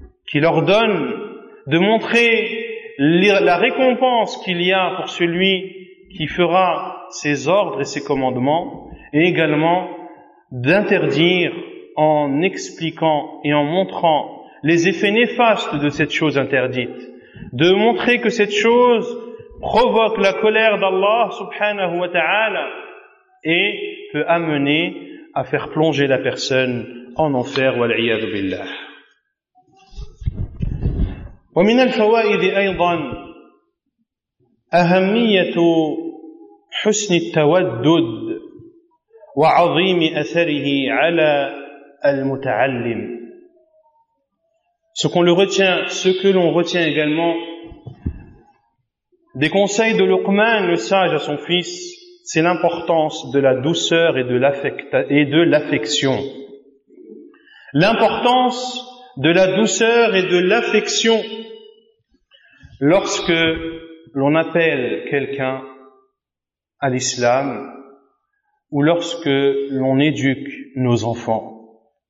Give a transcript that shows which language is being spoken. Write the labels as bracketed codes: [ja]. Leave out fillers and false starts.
[fr] qu'il ordonne, de montrer la récompense qu'il y a pour celui qui fera ses ordres et ses commandements, et également d'interdire en expliquant et en montrant les effets néfastes de cette chose interdite, de montrer que cette chose provoque la colère d'Allah subhanahu wa ta'ala et peut amener à faire plonger la personne en enfer, wal'iyad billah. [ar] ومن الفوائد أيضا أهمية حسن التودد وعظيم أثره على المتعلم. [fr] Ce que l'on retient également des conseils de Luqman, le sage à son fils, c'est l'importance de la douceur et de l'affection. L'importance de la douceur et de l'affection lorsque l'on appelle quelqu'un à l'islam ou lorsque l'on éduque nos enfants.